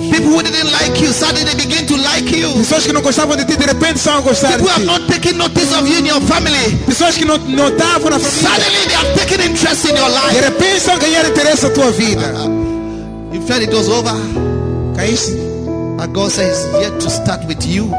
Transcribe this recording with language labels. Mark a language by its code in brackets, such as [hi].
[en] People who didn't like you suddenly they begin to like you. [pt] Pessoas que não gostavam de ti de repente são a gostar. [en] People are not taking notice of you in your family. [pt] Pessoas que não notavam na família. [en] Suddenly they are taking interest in your life. [pt] De repente são a ganhar interesse na tua vida. [en] You felt it was over. [pt] Caíste. [en] But God says yet to start with you.